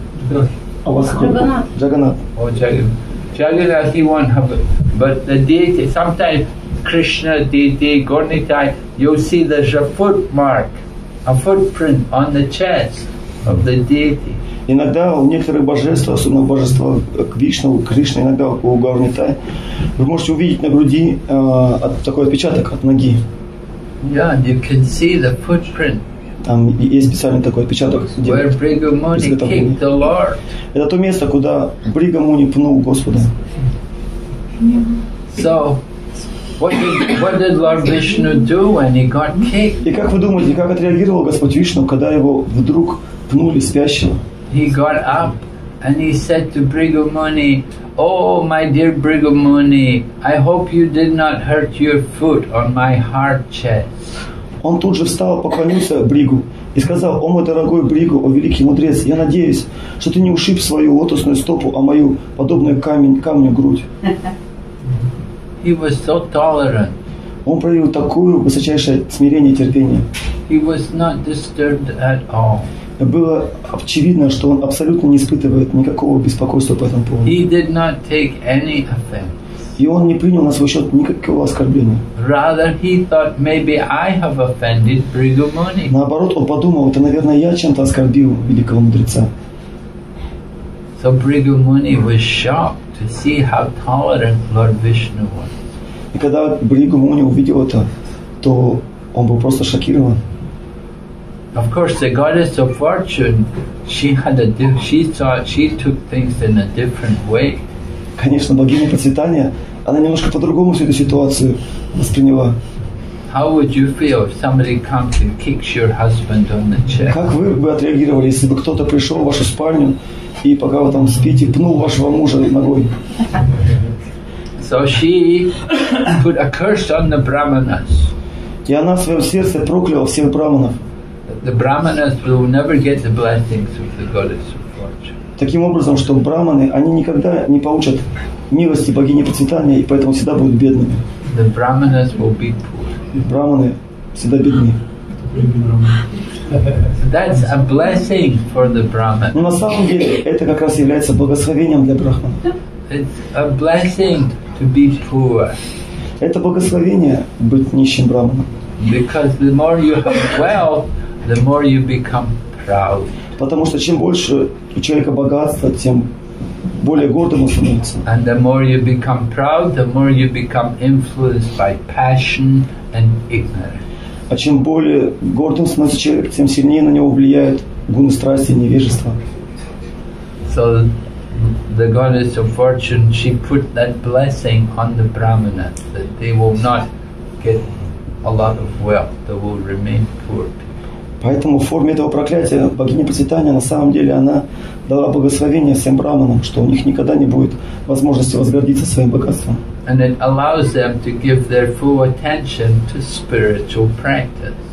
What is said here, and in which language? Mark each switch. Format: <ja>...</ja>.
<ru>Джаганат. А у вас какой? Джаганат.</ru> <en>О, Джаганат, he won't have it. But the deity, sometimes Krishna deity, Gornitai, you'll see there's a footmark, a footprint on the chest of the deity.</en> <ru>Иногда у некоторых божеств, особенно божества Вишну, Кришны, иногда у Гарнитай, вы можете увидеть на груди такой отпечаток от ноги.</ru> <en>Yeah, you can see the footprint.</en> <ru>Там есть специальный такой отпечаток.</ru> <en>Where Bhrigu Muni kicked the Lord.</en> <ru>Это то место, куда Бригу Муни пнул Господа.</ru> <en>So, what did Lord Vishnu do when he got kicked?</en> <ru>И как вы думаете, как отреагировал Господь Вишну, когда его вдруг пнули спящего?</ru> <en>He got up and he said to Bhrigu Muni, "Oh, my dear Bhrigu Muni, I hope you did not hurt your foot on my hard chest."</en> <ru>Он тут же встал, поклонился Бригу и сказал: «О мой дорогой Бригу, о великий мудрец, я надеюсь, что ты не ушиб свою лотосную стопу, а мою подобную камню грудь».</ru> <en>He was so tolerant.</en> <ru>Он проявил такое высочайшее смирение и терпение.</ru> <en>He was not disturbed at all.</en> <ru>Было очевидно, что он абсолютно не испытывает никакого беспокойства по этому поводу.</ru> <en>He did not take any offense.</en> <ru>И он не принял на свой счет никакого оскорбления.</ru> <en>Rather, he thought, maybe I have offended Bhrigu Muni.</en> <ru>Наоборот, он подумал, это, наверное, я чем-то оскорбил великого мудреца.</ru> <en>So Bhrigu Muni was shocked to see how tolerant Lord Vishnu was.</en> <ru>И когда Бригу Муни увидел это, то он был просто шокирован.</ru> <en>Of course, the goddess of fortune, she took things in a different way.</en> <ru>Конечно, богиня процветания, она немножко по-другому всю эту ситуацию восприняла.</ru> <en>How would you feel if somebody comes and kicks your husband on the chest?</en> <ru>Как вы бы отреагировали, если бы кто-то пришел в вашу спальню и пока вы там спите, пнул вашего мужа ногой?</ru> <en>So she put a curse on the brahmanas.</en> <ru>И она в своем сердце прокляла всех брахманов.</ru> <en>The brahmanas will never get the blessings of the goddess of fortune.</en> <ru>Таким образом, что брахманы, они никогда не получат милости богини процветания и поэтому всегда будут бедными.</ru> <en>The brahmanas will be poor.</en> <ru>Брахманы всегда бедны.</ru> <en>That's a blessing for the brahman.</en> <ru>На самом деле, это как раз является благословением для брахман.</ru> <en>It's a blessing to be poor.</en> <ru>Это благословение быть нищим брахманом.</ru> <en>Because the more you have wealth, the more you become proud.</en> <ru>Потому что чем больше у человека богатства, тем более гордым он становится.</ru> <en>And the more you become proud, the more you become influenced by passion and ignorance.</en> <ru>А чем более гордым становится человек, тем сильнее на него влияют гуны страсти и невежества.</ru> <en>So the goddess of fortune, she put that blessing on the brahmana that they will not get a lot of wealth, they will remain poor.</en> <ru>Поэтому в форме этого проклятия богиня процветания на самом деле она дала благословение всем брахманам, что у них никогда не будет возможности возгордиться своим богатством.</ru> <en>And it allows them to give their full attention to spiritual practice.</en>